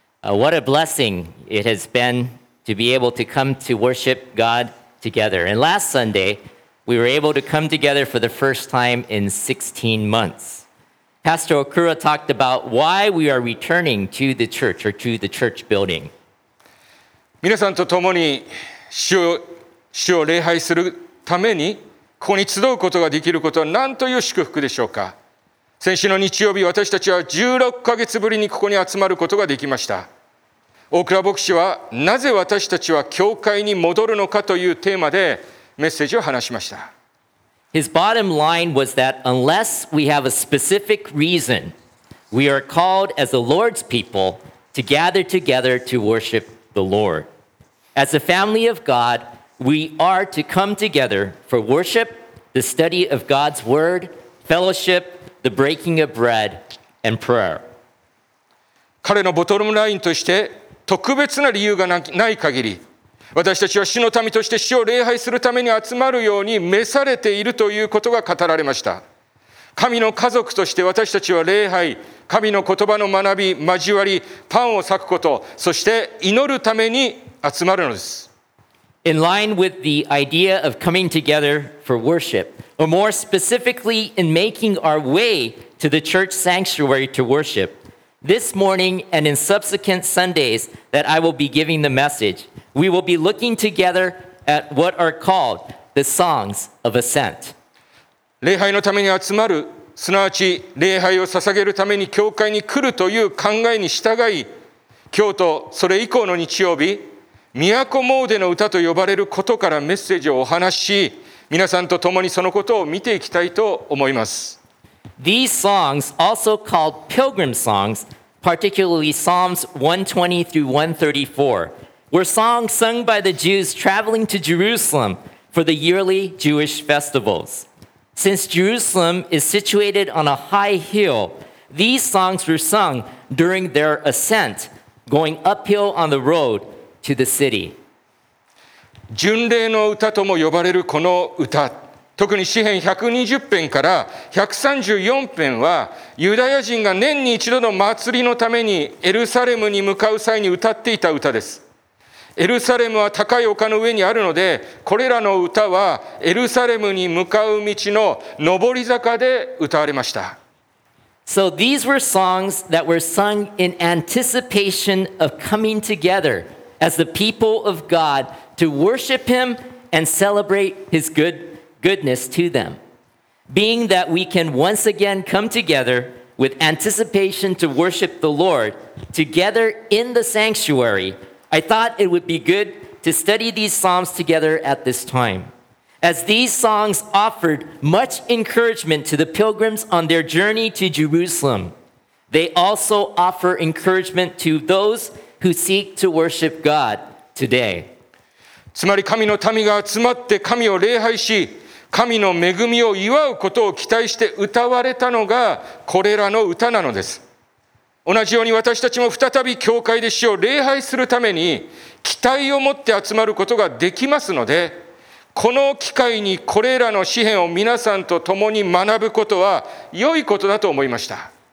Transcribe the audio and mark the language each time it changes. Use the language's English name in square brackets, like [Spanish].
[English] What a blessing it has been to be able to come to worship God together. And last Sunday, we were able to come together for the first time in 16 months. Pastor Okura talked about why we are returning to the church or to the church building. [Japanese] 皆さんと共に主を礼拝するためにここに集うことができることは何という祝福でしょうか。先週の日曜日、私たちは16ヶ月ぶりにここに集まることができました。大倉牧師はなぜ私たちは教会に戻るのかというテーマでメッセージを話しました。 [English] His bottom line was that unless we have a specific reason, we are called as the Lord's people to gather together to worship the Lord. As a family of God, we are to come together for worship, the study of God's word, fellowship, the breaking of bread, and prayer. [Japanese] 彼のボトムラインとして特別な理由がない限り、私たちは主の民として主を礼拝するために集まるように召されているということが語られました。神の家族として私たちは礼拝、神の言葉の学び、交わり、パンを裂くこと、そして祈るために集まるのです。 [English] In line with the idea of coming together for worship, or more specifically in making our way to the church sanctuary to worship, this morning and in subsequent Sundays that I will be giving the message, we will be looking together at what are called the songs of ascent. [Japanese] 礼拝のために集まる、すなわち礼拝を捧げるために教会に来るという考えに従い、今日とそれ以降の日曜日、都詣の歌と呼ばれることからメッセージをお話し、皆さんと共にそのことを見ていきたいと思います。 [English] These songs, also called pilgrim songs, particularly Psalms 120 through 134, were songs sung by the Jews traveling to Jerusalem for the yearly Jewish festivals. Since Jerusalem is situated on a high hill, these songs were sung during their ascent, going uphill on the road. To the city. [Japanese] 巡礼の歌とも呼ばれるこの歌、特に詩編120編から134編はユダヤ人が年に一度の祭りのためにエルサレムに向かう際に歌っていた歌です。エルサレムは高い丘の上にあるので、これらの歌はエルサレムに向かう道の上り坂で歌われました。 [English] So these were songs that were sung in anticipation of coming togetherAs the people of God to worship Him and celebrate His goodness to them. Being that we can once again come together with anticipation to worship the Lord together in the sanctuary, I thought it would be good to study these Psalms together at this time. As these songs offered much encouragement to the pilgrims on their journey to Jerusalem, they also offer encouragement to those. Who seek to worship God today. [Japanese] つまり神の民が集まって神を礼拝し、神の恵みを祝うことを期待して歌われたのがこれらの歌なのです。同じように私たちも再び教会で主を礼拝するために期待を持って集まることができますので、この機会にこれらの詩編を皆さんと共に学ぶことは良いことだと思いました。